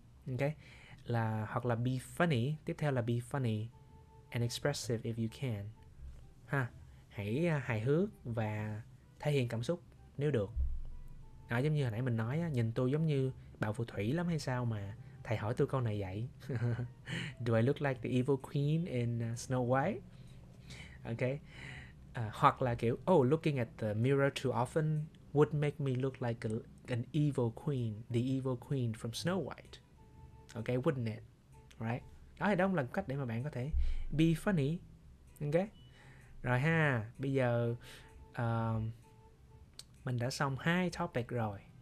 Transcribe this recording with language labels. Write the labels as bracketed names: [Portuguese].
[English] Ok, [Vietnamese] là hoặc là [English] be funny, [Vietnamese] tiếp theo là [English] be funny and expressive if you can. [Vietnamese] Ha, hãy hài hước và thể hiện cảm xúc nếu được. Đó, giống như hồi nãy mình nói, nhìn tôi giống như bà phù thủy lắm hay sao mà thầy hỏi tôi câu này vậy? [English] Do I look like the evil queen in Snow White? Ok. [Vietnamese] Hoặc là kiểu, [English] oh, looking at the mirror too often would make me look like an evil queen, the evil queen from Snow White. Ok, wouldn't it? Right? [Vietnamese] Đó thì đó là cách để mà bạn có thể [English] be funny. [Vietnamese] Ok. Rồi ha, bây giờ mình đã xong hai topic rồi.